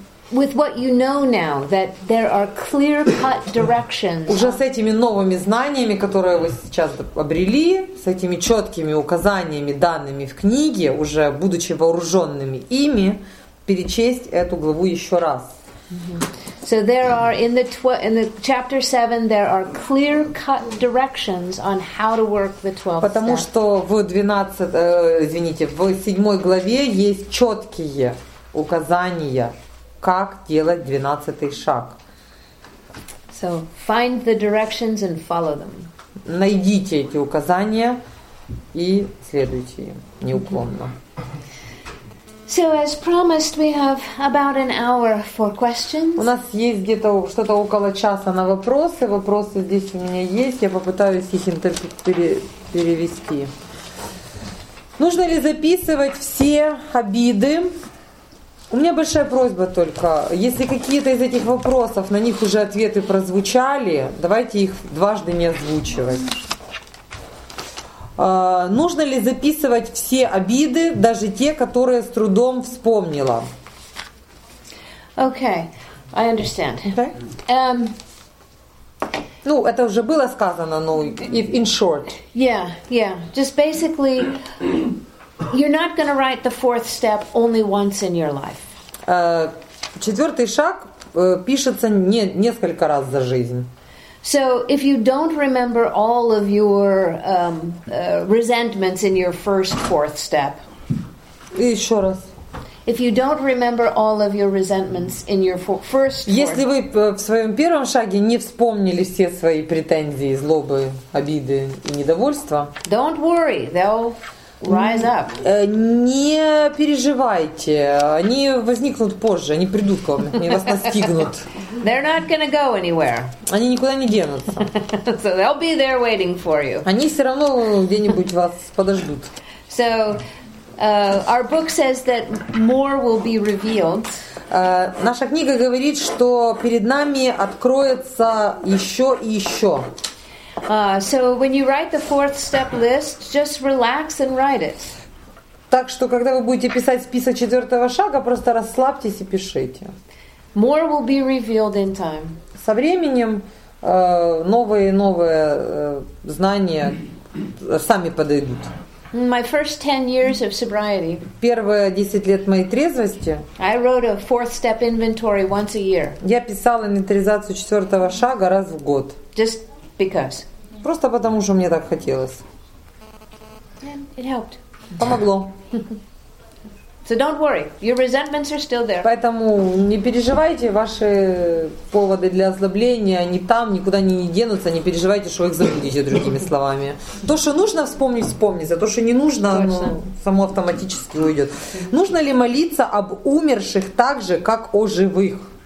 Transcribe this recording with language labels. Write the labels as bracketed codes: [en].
[en] With what you know now, that there are clear-cut directions. [ru] Уже с этими новыми знаниями, которые вы сейчас обрели, с этими четкими указаниями, данными в книге, уже будучи вооруженными ими, перечесть эту главу еще раз. [en] So there are in the chapter 7 there are clear-cut directions on how to work the 12th. [ru] Потому что в 7 главе есть четкие указания. Как делать 12-й шаг? [en] So, find the directions and follow them. [ru] Найдите эти указания и следуйте им неуклонно. [en] So, as promised, we have about an hour for questions. [ru] У нас есть где-то что-то около часа на вопросы. Вопросы здесь у меня есть. Я попытаюсь их перевести. Нужно ли записывать все обиды? У меня большая просьба только, если какие-то из этих вопросов, на них уже ответы прозвучали, давайте их дважды не озвучивать. Нужно ли записывать все обиды, даже те, которые с трудом вспомнила? [en] Okay, I understand. [ru] Okay. Ну, это уже было сказано, но [en] in short. Yeah, yeah, just basically, you're not going to write the fourth step only once in your life. [ru] Четвертый шаг пишется несколько раз за жизнь. [en] So if you don't remember all of your resentments in your first fourth step. [ru] И еще раз. [en] If you don't remember all of your resentments in your first [ru] course, если вы в своем первом шаге не вспомнили все свои претензии, злобы, обиды и недовольства, [en] don't worry, they'll rise up. [ru] Не переживайте, они возникнут позже, они придут к вам, они вас настигнут. [en] They're not gonna go anywhere. [ru] Они никуда не денутся. [en] So they'll be there waiting for you. [ru] Они все равно где-нибудь вас подождут. [en] So our book says that more will be revealed. [ru] Наша книга говорит, что перед нами откроется еще и еще. [en] So when you write the fourth step list, just relax and write it. [ru] Так что когда вы будете писать список четвертого шага, просто расслабьтесь и пишите. [en] More will be revealed in time. [ru] Со временем новые знания сами подойдут. [en] My first 10 years of sobriety. [ru] Первые 10 лет моей трезвости. [en] I wrote a fourth step inventory once a year. [ru] Я писала инвентаризацию четвертого шага раз в год. [en] Just because. [ru] Просто потому, что мне так хотелось. [en] It helped. [ru] Помогло. [en] So don't worry, your resentments are still there. [ru] Поэтому не переживайте, ваши поводы для озлобления, они там, никуда не денутся, не переживайте, что вы их забудете, другими словами. То, что нужно вспомнить, вспомнится, то, что не нужно, оно само автоматически уйдет. Нужно ли молиться об умерших так же, как о живых?